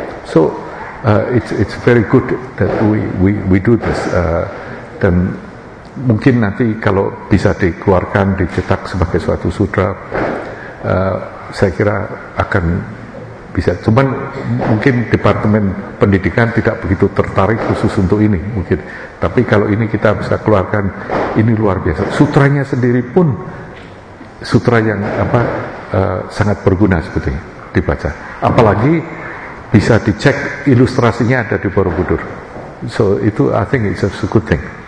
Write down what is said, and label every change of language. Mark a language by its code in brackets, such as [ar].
[en] So it's very good that we do this. [id] Dan mungkin nanti kalau bisa dikeluarkan, dicetak sebagai suatu sutra, saya kira akan bisa. Cuman mungkin Departemen Pendidikan tidak begitu tertarik khusus untuk ini mungkin. Tapi kalau ini kita bisa keluarkan, ini luar biasa. Sutranya sendiri pun sutra yang apa sangat berguna sebetulnya dibaca. Apalagi bisa dicek ilustrasinya ada di Borobudur. [en] So itu I think it's a good thing.